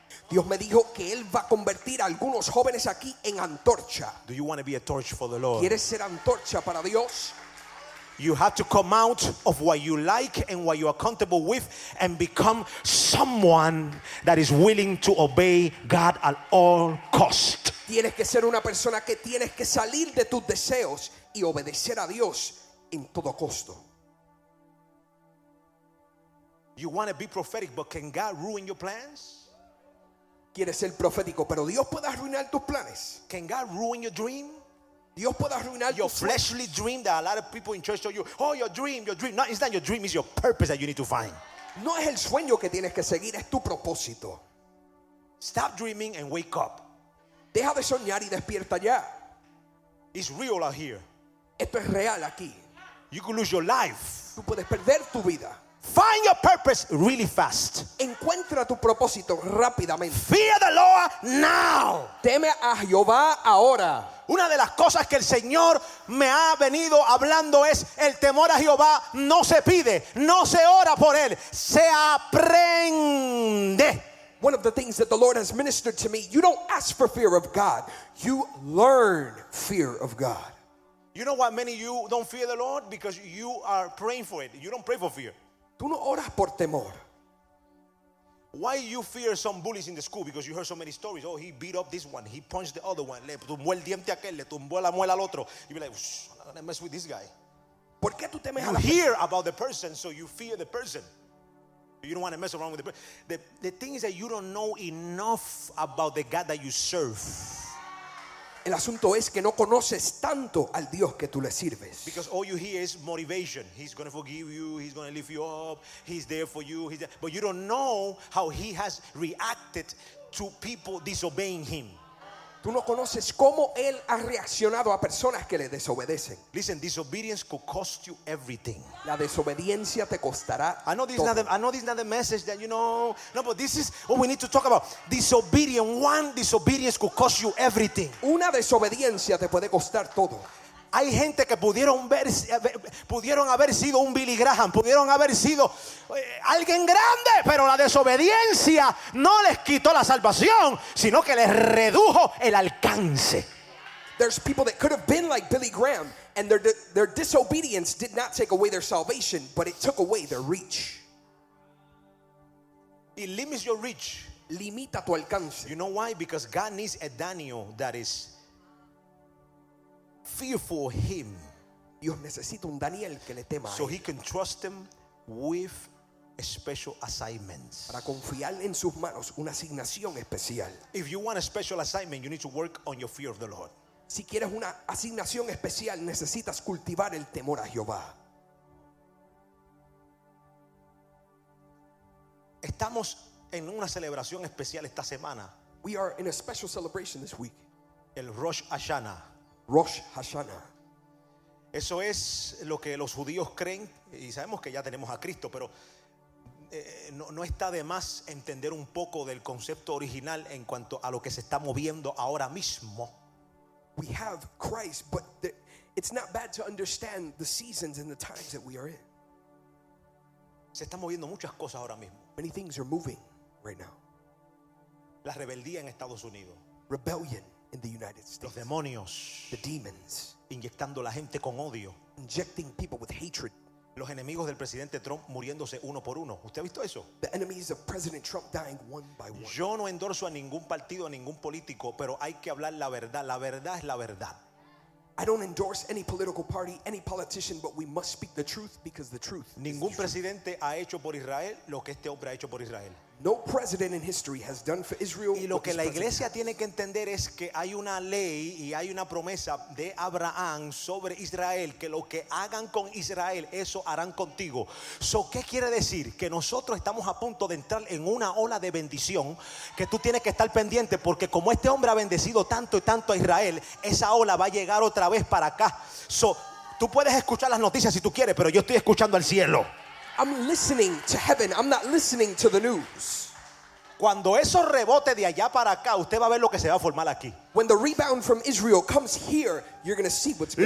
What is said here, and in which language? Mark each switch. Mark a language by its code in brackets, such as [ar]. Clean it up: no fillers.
[es] Dios me dijo que él va a convertir a algunos jóvenes aquí en antorcha. [en] Do you want to be a torch for the Lord? [es] ¿Quieres ser antorcha para Dios? [en] You have to come out of what you like and what you are comfortable with and become someone that is willing to obey God at all cost. [es] Tienes que ser una persona que tienes que salir de tus deseos y obedecer a Dios en todo costo. [en] You want to be prophetic, but can God ruin your plans? [es] ¿Quieres ser profético, pero Dios puede arruinar tus planes? [en] Can God ruin your dream? [es] Dios puede arruinar [en] your fleshly dream that a lot of people in church show you. Oh, your dream. No, it's not your dream, it's your purpose that you need to find. [es] No es el sueño que tienes que seguir, es tu propósito. [en] Stop dreaming and wake up. [es] Deja de soñar y despierta ya. [en] It's real out here. [es] Esto es real aquí. [en] You could lose your life. [es] Tú puedes perder tu vida. [en] Find your purpose really fast. [es] Encuentra tu propósito rápidamente. [en] Fear the Lord now. [es] Teme a Jehová ahora. Una de las cosas que el Señor me ha venido hablando es el temor a Jehová no se pide, no se ora por él, se aprende. [en] One of the things that the Lord has ministered to me, you don't ask for fear of God, you learn fear of God. You know why many of you don't fear the Lord? Because you are praying for it. You don't pray for fear. [es] Tú no oras por temor. [en] Why you fear some bullies in the school? Because you heard so many stories. Oh, he beat up this one. He punched the other one. [es] Le tumbó el diente aquel. Le tumbó la muela al otro. [en] You be like, I'm not gonna mess with this guy. [es] ¿Por qué tú temes a la persona? [en] You hear about the person, so you fear the person. You don't want to mess around with the person. The thing is that you don't know enough about the God that you serve. [es] El asunto es que no conoces tanto al Dios que tú le sirves. [en] Because all you hear is motivation. He's going to forgive you. He's going to lift you up. He's there for you. He's there. But you don't know how he has reacted to people disobeying him. [es] Tú no conoces cómo él ha reaccionado a personas que le desobedecen. [en] Listen, disobedience could cost you everything. [es] La desobediencia te costará todo. [en] I know this is not the message that you know. No, but this is what we need to talk about. One disobedience could cost you everything. [es] Una desobediencia te puede costar todo. Hay gente que pudieron haber sido un Billy Graham, pudieron haber sido alguien grande, pero la desobediencia no les quitó la salvación, sino que les redujo el alcance. [en] There's people that could have been like Billy Graham, and their disobedience did not take away their salvation, but it took away their reach. It limits your reach. [es] Limita tu alcance. [en] You know why? Because God needs a Daniel that is fearful him. [es] Dios necesita un Daniel que le tema. [en] So he can trust him with a special assignment. [es] Para confiar en sus manos una asignación especial. [en] If you want a special assignment, you need to work on your fear of the Lord. [es] Si quieres una asignación especial, necesitas cultivar el temor a Jehová. Estamos en una celebración especial esta semana. [en] We are in a special celebration this week. [es] El Rosh Hashanah. Rosh Hashanah. Eso es lo que los judíos creen, y sabemos que ya tenemos a Cristo, pero no está de más entender un poco del concepto original en cuanto a lo que se está moviendo ahora mismo. [en] We have Christ, but it's not bad to understand the seasons and the times that we are in. [es] Se están moviendo muchas cosas ahora mismo. [en] Many things are moving right now. [es] La rebeldía en Estados Unidos. [en] Rebellion. In the United States. [es] Los demonios, [en] the demons, [es] inyectando la gente con odio, [en] injecting people with hatred. [es] Los enemigos del presidente Trump muriéndose uno por uno. ¿Usted ha visto eso? [en] The enemies of President Trump dying one by one. [es] Yo no endorso a ningún partido, a ningún político, pero hay que hablar la verdad. La verdad es la verdad. [en] I don't endorse any political party, any politician, but we must speak the truth because the truth. [es] Ningún presidente ha hecho por Israel lo que este hombre ha hecho por Israel. [en] No president in history has done for Israel. [es] Y lo que la iglesia tiene que entender es que hay una ley y hay una promesa de Abraham sobre Israel, que lo que hagan con Israel, eso harán contigo. So, ¿qué quiere decir? Que nosotros estamos a punto de entrar en una ola de bendición, que tú tienes que estar pendiente, porque como este hombre ha bendecido tanto y tanto a Israel, esa ola va a llegar otra vez para acá. So, tú puedes escuchar las noticias si tú quieres, pero yo estoy escuchando al cielo. [en] I'm listening to heaven. I'm not listening to the news. [es] Cuando eso rebote de allá para acá, usted va a ver lo que se va a formar aquí. [en] When the rebound from Israel comes here, you're going to see what's going